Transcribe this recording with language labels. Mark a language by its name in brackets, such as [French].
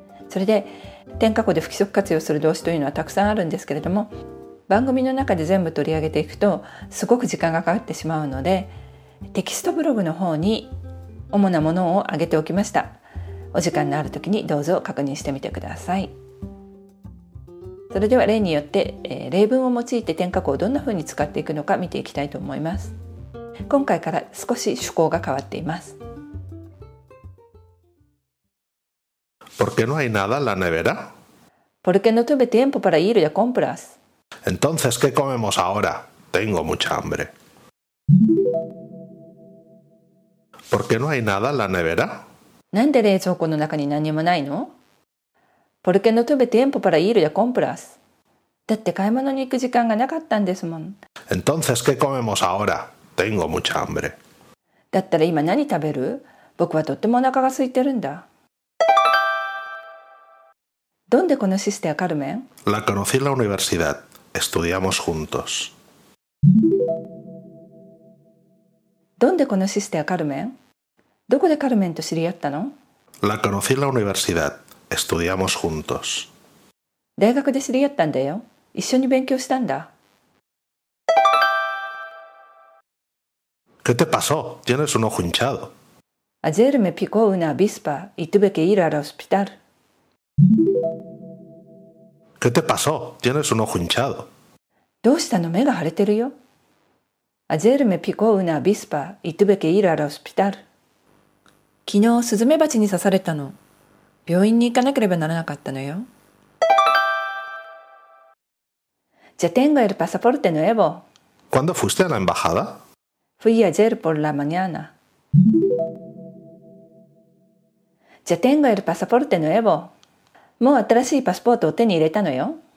[Japanese] それで添加語で不規則活用する動詞というのはたくさんあるんですけれども、番組の中で全部取り上げていくとすごく時間がかかってしまうので、テキストブログの方に主なものを挙げておきました。お時間のある時にどうぞ確認してみてください。それでは例によって、例文を用いて添加語をどんな風に使っていくのか見ていきたいと思います。今回から少し趣向が変わっています。 [Spanish] Porque no hay nada en la nevera? Porque no tuve tiempo para ir de compras. Entonces, ¿qué comemos ahora? Tengo mucha hambre. Porque no hay nada en la nevera? [Japanese] なんで冷蔵庫の中に何もないの? [Spanish] Porque no tuve tiempo para ir de compras. [Japanese] だって買い物に行く時間がなかったんですもん。 [Spanish] Entonces, ¿qué comemos ahora? Tengo mucha hambre. [Japanese] だったら今何食べる? 僕はとってもお腹が空いてるんだ。 [Spanish] ¿Dónde conociste a Carmen? La conocí en la universidad. Estudiamos juntos. ¿Dónde conociste a Carmen? ¿Dónde conociste a Carmen? ¿Dónde conociste a Carmen? La conocí en la universidad. Estudiamos juntos. ¿De qué conociste a Carmen? ¿De qué conociste a Carmen? ¿Qué te pasó? Tienes un ojo hinchado. Ayer me picó una avispa y tuve que ir al hospital. ¿Qué te pasó? Tienes un ojo hinchado. [Japanese] どうしたの?目が腫れてるよ。 [Spanish] Ayer me picó una avispa y tuve que ir al hospital. [Japanese] 昨日スズメバチに刺されたの。病院に行かなければならなかったのよ。 [Spanish] Ya tengo el pasaporte nuevo. ¿Cuándo fuiste a la embajada? Fui ayer por la mañana. Ya tengo el pasaporte nuevo. [Japanese] もう新しいパスポートを手に入れたのよ。